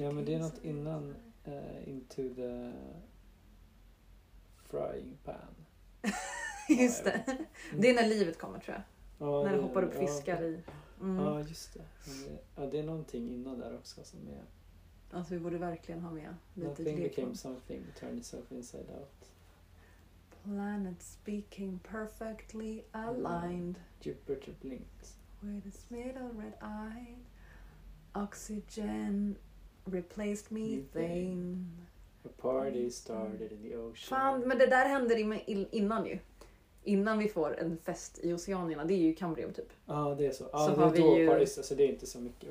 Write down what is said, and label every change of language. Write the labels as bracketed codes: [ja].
[sv] Ja, men det är något innan Into the Frying Pan. Just det. Det är när livet kommer, tror jag. Ja, när det hoppar upp fiskar ja, i. Mm. Ja, just det. Ja, det är någonting innan där också som är... Alltså, vi borde verkligen ha med lite lekom. [en] Nothing became something, turn itself inside out. Planets became perfectly aligned. Jupiter blinked. With its middle red eye. Oxygen replaced methane. A party started in the ocean. [sv] Fan, men det där händer innan ju. Innan vi får en fest i Oceanierna. Det är ju Cambrium typ. Ja, ah, det är så. Ja, ah, det är då ju... Paris. Alltså det är inte så mycket.